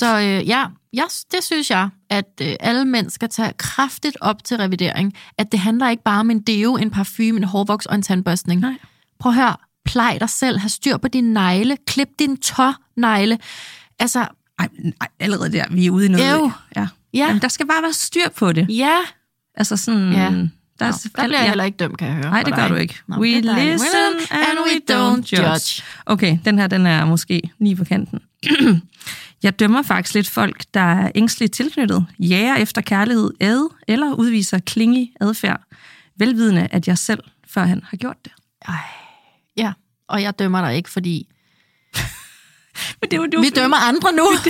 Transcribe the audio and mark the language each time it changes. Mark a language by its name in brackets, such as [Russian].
[Danish] Så det synes jeg, at alle mænd skal tage kraftigt op til revidering, at det handler ikke bare om en deo, en parfume, en hårvoks og en tandbørstning. Nej. Prøv at høre. Plej dig selv. Ha' styr på dine negle. Klip din tånegle. Altså... Ej, allerede der. Vi er ude i noget. Jo. Ja. Ja. Jamen, der skal bare være styr på det. Ja. Altså sådan, Der bliver jeg heller ikke dømt, kan jeg høre. Nej, det gør du ikke. [English] Nå, we listen and we don't judge. [Danish] Okay, den her, den er måske lige på kanten. Jeg dømmer faktisk lidt folk, der er ængstligt tilknyttet, jager efter kærlighed, ad eller udviser klingig adfærd, velvidende, at jeg selv førhen har gjort det. Ej, ja, og jeg dømmer dig ikke, fordi men det var, vi dømmer andre nu.